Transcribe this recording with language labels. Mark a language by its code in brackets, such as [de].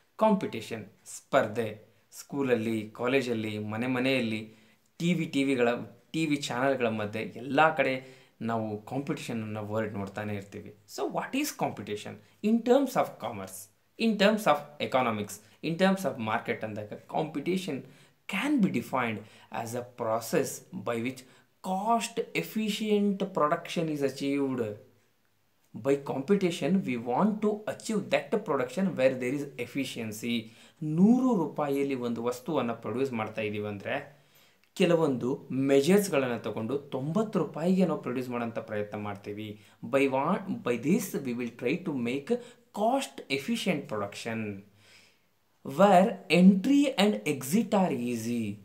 [kn] Competition sparde ಸ್ಕೂಲಲ್ಲಿ, ಕಾಲೇಜಲ್ಲಿ, ಮನೆ ಮನೆಯಲ್ಲಿ, ಟಿ ವಿ ಚಾನಲ್ಗಳ ಮಧ್ಯೆ ಎಲ್ಲ ಕಡೆ ನಾವು ಕಾಂಪಿಟೇಷನ್ ಅನ್ನೋ ವರ್ಡ್ ನೋಡ್ತಾನೆ ಇರ್ತೀವಿ. [en] So what is competition in terms of commerce, in terms of economics, in terms of market ಅಂದಾಗ, competition can be defined as a process by which cost efficient production is achieved. By competition, we want to achieve that production where there is efficiency. [kn] 100 ರೂಪಾಯಿಯಲ್ಲಿ ಒಂದು ವಸ್ತುವನ್ನು produce ಮಾಡ್ತಾ ಇದ್ದೀವಿ ಅಂದರೆ ಕೆಲವೊಂದು ಮೆಜರ್ಸ್ಗಳನ್ನು ತಗೊಂಡು 90 ರೂಪಾಯಿಗೆ ನಾವು ಪ್ರೊಡ್ಯೂಸ್ ಮಾಡೋಂಥ ಪ್ರಯತ್ನ ಮಾಡ್ತೀವಿ. [en] By this we will try to make cost efficient production where entry and exit are easy.